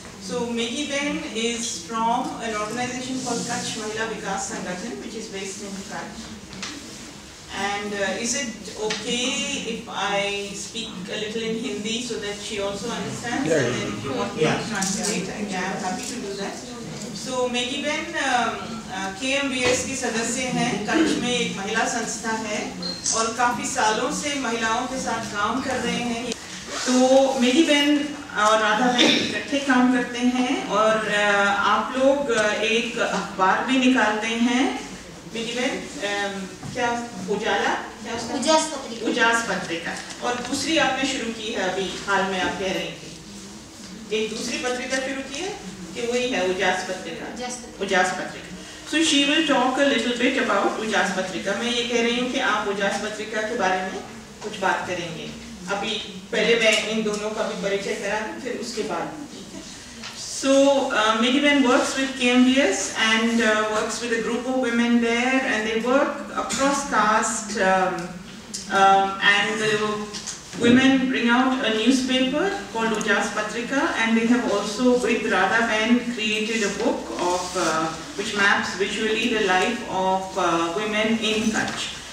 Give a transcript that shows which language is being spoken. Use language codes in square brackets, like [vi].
[en] So Meghi Ben is from an organization called Kutch Mahila Vikas Sangathan, which is based in Kutch. And is it okay if I speak a little in Hindi so that she also understands? Yeah. And then if you want me to translate, yeah, I'm happy to do that. [hi] So Meghi Ben KMVS की सदस्य हैं, कच्छ में एक महिला संस्था है और काफी सालों से महिलाओं के साथ काम कर रहे हैं। तो मेरी बहन और राधा बहन इकट्ठे काम करते हैं और आप लोग एक अखबार भी निकालते हैं। मेरी बहन क्या उजाला, उजास पत्रिका, उजास पत्रिका, और दूसरी आपने शुरू की है अभी हाल में, आप कह रही थी एक दूसरी पत्रिका शुरू की है कि वही है उजास पत्रिका, उजास पत्रिका। [en] So she will talk a little bit about Ujas Patrika. [hi] मैं ये कह रही हूँ कि आप Ujas Patrika के बारे में कुछ बात करेंगे। अभी पहले मैं इन दोनों का भी परिचय करा दूँ, फिर उसके बाद। [en] So Meghi Ben works with KMVS and works with a group of women there, and they work across caste. And the women bring out a newspaper called Ujas Patrika, and they have also with Radha Ben created a book of which maps visually the life of women in Kutch.